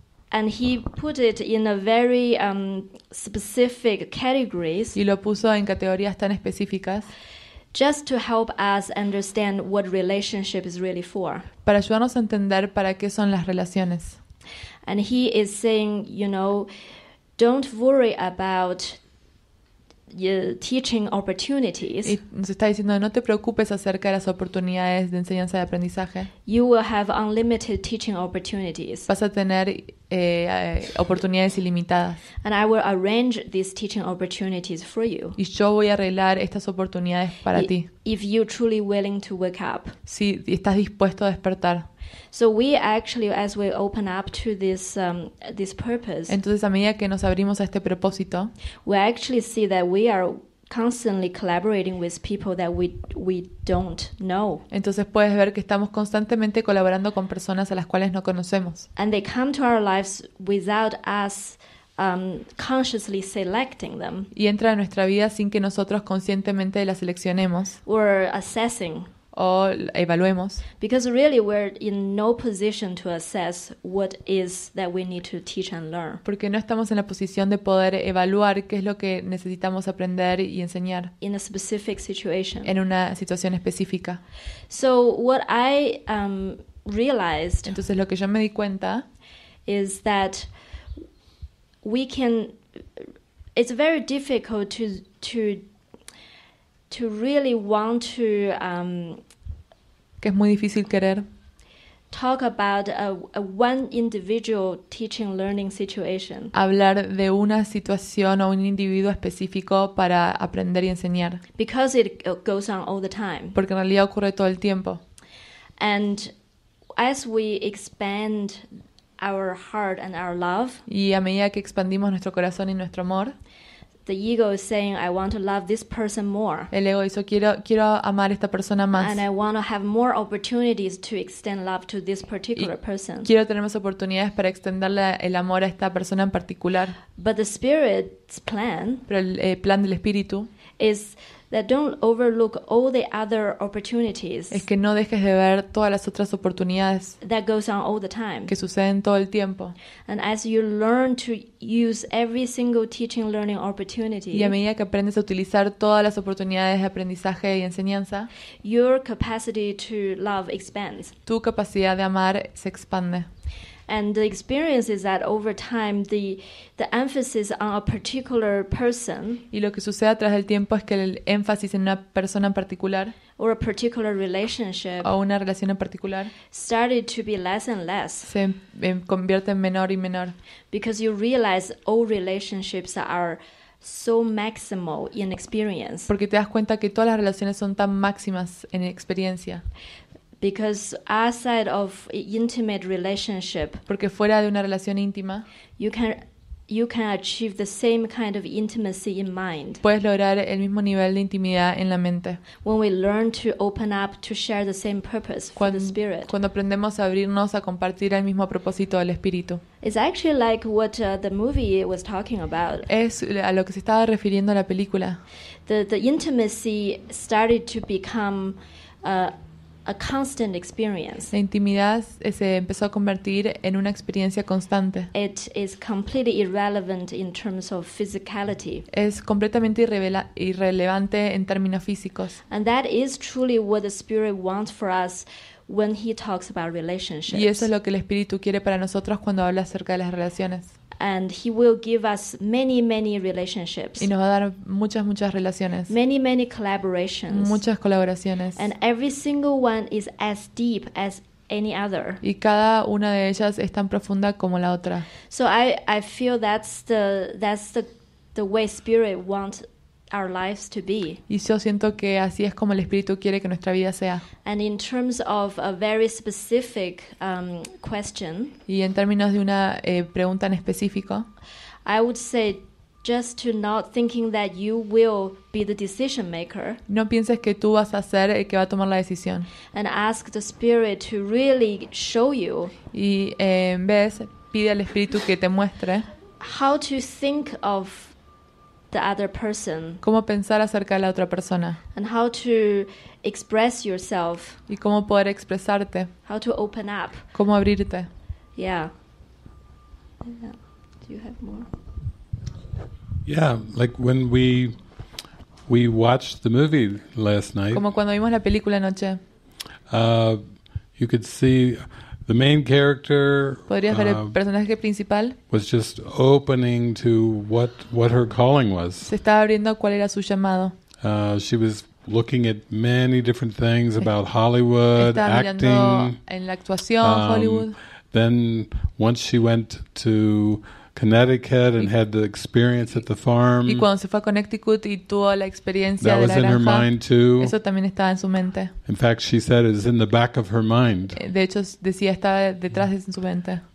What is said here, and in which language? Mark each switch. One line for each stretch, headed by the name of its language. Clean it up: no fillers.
English: And he put it in a very specific categories.
Spanish: Y lo puso en categorías tan específicas.
English: Just to help us understand what relationship is really for.
Spanish: Para ayudarnos a entender para qué son las relaciones.
English: And he is saying, you know, don't worry about teaching opportunities.
Spanish: Y nos está diciendo, no te preocupes acerca de las oportunidades de enseñanza y aprendizaje.
English: You will have unlimited teaching opportunities.
Spanish: Vas a tener oportunidades ilimitadas.
English: And I will arrange these teaching opportunities for you.
Spanish: Y yo voy a arreglar estas oportunidades para ti.
English: If you're truly willing to wake up.
Spanish: Si estás dispuesto a despertar.
English: So we actually, as we open up to this this purpose,
Spanish: entonces a medida que nos abrimos a este propósito,
English: we actually see that we are constantly collaborating with people that we don't know.
Spanish: Entonces puedes ver que estamos constantemente colaborando con personas a las cuales no conocemos.
English: And they come to our lives without us consciously selecting them.
Spanish: Y entra a nuestra vida sin que nosotros conscientemente la seleccionemos.
English: Or assessing.
Spanish: O evaluemos.
English: Because really we're in no position to assess what is that we need to teach and learn.
Spanish: Porque no estamos en la posición de poder evaluar qué es lo que necesitamos aprender y enseñar.
English: In a specific situation.
Spanish: En una situación específica.
English: So what I realized.
Spanish: Entonces lo que yo me di cuenta
English: is that we can. It's very difficult to really want to
Spanish: que es muy difícil querer
English: talk about a one individual teaching learning situation,
Spanish: hablar de una situación o un individuo específico para aprender y enseñar,
English: because it goes on all the time,
Spanish: porque en realidad ocurre todo el tiempo.
English: And as we expand our heart and our love,
Spanish: y a medida que expandimos nuestro corazón y nuestro amor,
English: the ego is saying, I want to love this person more.
Spanish: El ego dice, quiero amar a esta persona más.
English: And I want to have more opportunities to extend love to this particular person.
Spanish: Quiero tener más oportunidades para extenderle el amor a esta persona en particular.
English: But the spirit's plan,
Spanish: pero el plan del espíritu,
English: is that don't overlook all the other opportunities.
Spanish: Es que no dejes de ver todas las otras oportunidades.
English: That goes on all the time.
Spanish: Que suceden todo el tiempo.
English: And as you learn to use every single teaching learning opportunity.
Spanish: Y a medida que aprendes a utilizar todas las oportunidades de aprendizaje y enseñanza,
English: your capacity to love expands.
Spanish: Tu capacidad de amar se expande.
English: And the experience is that over time the emphasis on a particular person,
Spanish: y lo que sucede a través del tiempo es que el énfasis en una persona en particular,
English: or a particular relationship,
Spanish: o una relación en particular,
English: started to be less and less,
Spanish: se convierte en menor y menor,
English: because you realize all relationships are so maximal in experience,
Spanish: porque te das cuenta que todas las relaciones son tan máximas en experiencia.
English: Because outside of intimate relationship,
Spanish: porque fuera de una relación íntima,
English: you can achieve the same kind of intimacy in mind.
Spanish: Puedes lograr el mismo nivel de intimidad en la mente.
English: When we learn to open up to share the same purpose for the spirit.
Spanish: Cuando aprendemos a abrirnos a compartir el mismo propósito del espíritu.
English: It's actually like what the movie was talking about.
Spanish: Es a lo que se estaba refiriendo la película.
English: The intimacy started to become a constant experience.
Spanish: La intimidad se empezó a convertir en una experiencia constante.
English: It is completely irrelevant in terms of physicality.
Spanish: Es completamente irrelevante en términos físicos.
English: And that is truly what the spirit wants for us when he talks about relationships.
Spanish: Y eso es lo que el espíritu quiere para nosotros cuando habla acerca de las relaciones.
English: And he will give us many, many relationships.
Spanish: Y nos va a dar muchas, muchas relaciones.
English: Many, many collaborations.
Spanish: Muchas colaboraciones.
English: And every single one is as deep as any other.
Spanish: Y cada una de ellas es tan profunda como la otra.
English: So I feel that's the way spirit wants our lives to be.
Spanish: Y yo siento que así es como el espíritu quiere que nuestra vida sea.
English: And in terms of a very specific question,
Spanish: y en términos de una pregunta en específico,
English: I would say just to not thinking that you will be the decision maker.
Spanish: No pienses que tú vas a ser el que va a tomar la decisión.
English: And ask the spirit to really show you.
Spanish: Y en vez pide al espíritu que te muestre
English: how to think of the other person.
Spanish: ¿Cómo pensar acerca de la otra persona?
English: And how to express yourself.
Spanish: ¿Y cómo poder expresarte?
English: How to open up.
Spanish: ¿Cómo abrirte?
English: Yeah. Yeah. Do you have more? Yeah, like when we watched the movie last night.
Spanish: Como cuando vimos la película anoche.
English: You could see the main character.
Spanish: ¿Podrías ver el personaje principal?
English: Was just opening to what her calling was.
Spanish: Se estaba abriendo cuál era su llamado.
English: She was looking at many different things about Hollywood,
Spanish: estaba
English: acting.
Spanish: En la actuación, Hollywood.
English: Then once she went to Connecticut and had the experience at the farm.
Spanish: Y cuando se fue a Connecticut y tuvo la experiencia de la granja.
English: That was in her mind too.
Spanish: Eso también estaba en su mente.
English: In fact, she said it was in the back of her mind.
Spanish: De hecho, decía estaba detrás de su mente.